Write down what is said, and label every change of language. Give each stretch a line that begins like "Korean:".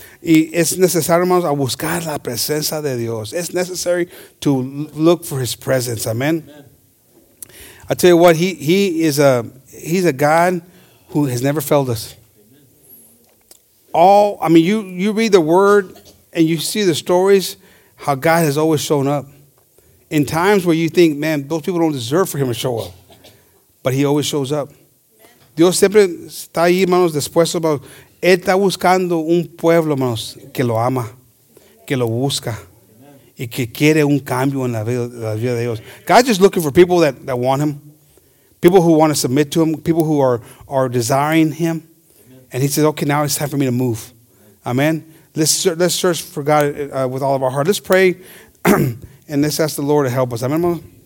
Spanish: Y es necesario, hermanos, a buscar la presencia de Dios.
English: It's necessary to look for his presence. Amen. I tell you what, he's a God who has never failed us. All, I mean, you read the word and you see the stories, how God has always shown up. In times where you think, man, those people don't deserve for him to show up. But he always shows up.
Spanish: Dios siempre está ahí, hermanos, dispuesto. Él está buscando un pueblo, hermanos, que lo ama, que lo busca. Y que quiere un cambio en la vida de Dios.
English: God's just looking for people that want him. People who want to submit to him. People who are desiring him. Amen. And he says, okay, now it's time for me to move. Amen. Let's search for God with all of our heart. Let's pray. And let's ask the Lord to help us. Amen.